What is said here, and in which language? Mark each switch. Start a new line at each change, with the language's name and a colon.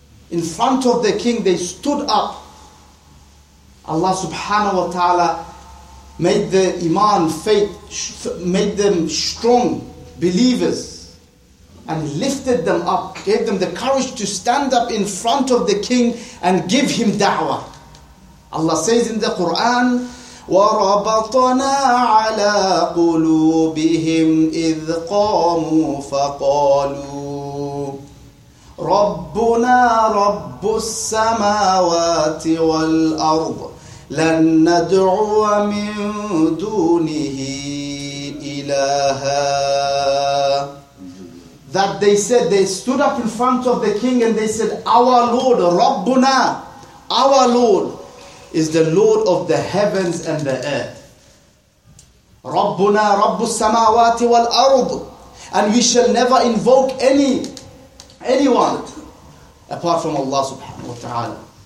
English: In front of the king, they stood up. Allah subhanahu wa ta'ala made the iman, faith, made them strong believers and lifted them up, gave them the courage to stand up in front of the king and give him da'wah. Allah says in the Quran,
Arabic: وَرَبَطْنَا عَلَىٰ قُلُوبِهِمْ إِذْ قَامُوا فَقَالُوا رَبُّنَا رَبُّ السَّمَاوَاتِ وَالْأَرْضِ لَن نَدْعُوَ مِن دُونِهِ إِلَهَا.
English: That they said, they stood up in front of the king and they said, our Lord, Rabbuna, our Lord is the Lord of the heavens and the earth.
Arabic: Rabbuna, Rabbu samawati wal ard,
English: and we shall never invoke anyone apart from Allah subhanahu wa ta'ala.